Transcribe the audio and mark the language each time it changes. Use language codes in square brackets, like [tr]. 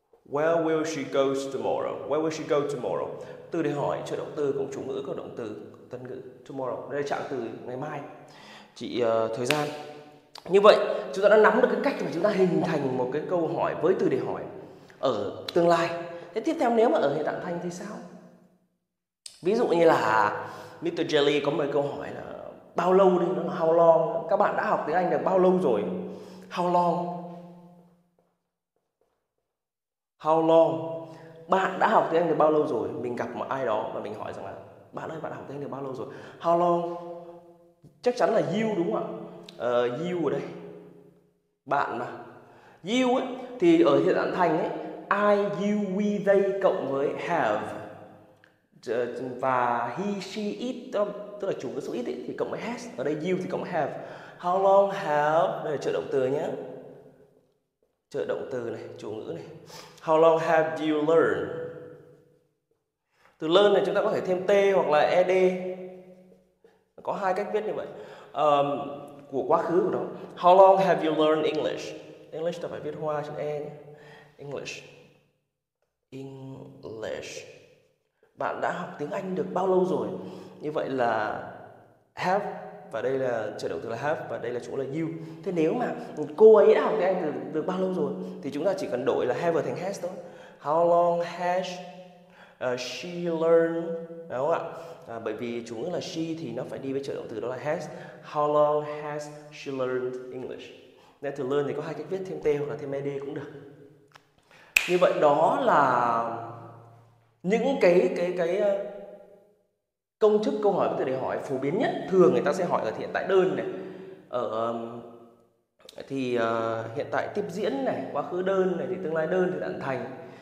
[en] Where will she go tomorrow? Where will she go tomorrow? [vi] Từ để hỏi, trợ động từ, cộng chủ ngữ, cộng động từ, tân ngữ. [en] Tomorrow. [vi] Đây là trạng từ ngày mai. Chị thời gian. Như vậy, chúng ta đã nắm được cái cách mà chúng ta hình thành một cái câu hỏi với từ để hỏi ở tương lai. Thế tiếp theo, nếu mà ở hiện tại thành thì sao? Ví dụ như là Mr. Jelly có một câu hỏi là bao lâu đi, nó là how long. Các bạn đã học tiếng Anh được bao lâu rồi? [en] How long? How long? [vi] Bạn đã học tiếng Anh được bao lâu rồi? Mình gặp một ai đó và mình hỏi rằng là bạn ơi, bạn học tiếng Anh được bao lâu rồi? How long? Chắc chắn là you đúng không ạ? You ở đây. Bạn mà. You ấy, thì ở hiện trạng thành ấy, I, you, we, they cộng với have. Và he, she, it, tức là chủ ngữ số ít ấy, thì cộng với has. Ở đây you thì cộng với have. [en] How long have, [vi] đây là trợ động từ nhé, trợ động từ này, chủ ngữ này. [en] How long have you learned? [vi] Từ learn này chúng ta có thể thêm t hoặc là ed, có hai cách viết như vậy. Của quá khứ của nó. [en] How long have you learned English? [vi] English ta phải viết hoa chữ e nhé. English. English. Bạn đã học tiếng Anh được bao lâu rồi? Như vậy là have, và đây là trợ động từ là have, và đây là chủ là you. Thế nếu mà cô ấy đã học tiếng Anh được bao lâu rồi, thì chúng ta chỉ cần đổi là have thành has thôi. [en] How long has she learned, [vi] đúng không ạ? Bởi vì chủ ngữ là she thì nó phải đi với trợ động từ, đó là has. [en] How long has she learned English? [vi] Nên từ learn thì có hai cách viết, thêm t hoặc là thêm ed cũng được. Như vậy đó là những cái Công chức, câu hỏi với từ để hỏi phổ biến nhất thường người ta sẽ hỏi ở hiện tại đơn này, ở thì hiện tại tiếp diễn này, quá khứ đơn này, thì tương lai đơn, thì đã thành.